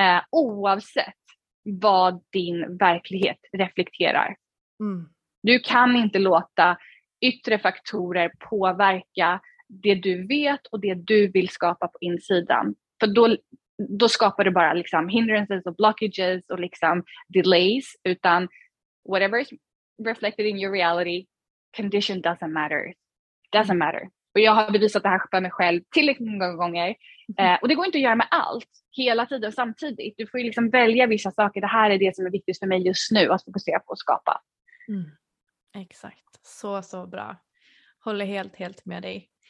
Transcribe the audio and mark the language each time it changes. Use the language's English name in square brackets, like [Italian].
[Swedish] Oavsett vad din verklighet reflekterar. Du kan inte låta yttre faktorer påverka det du vet och det du vill skapa på insidan. För då skapar du bara liksom hindrances och blockages och liksom delays. [English] Utan whatever is reflected in your reality, condition doesn't matter. Doesn't matter. [Swedish] Och jag har bevisat det här för mig själv tillräckligt många gånger. Och det går inte att göra med allt hela tiden samtidigt. Du får ju liksom välja vissa saker. Det här är det som är viktigt för mig just nu att fokusera på att skapa. Exakt. Så bra. Håller helt med dig.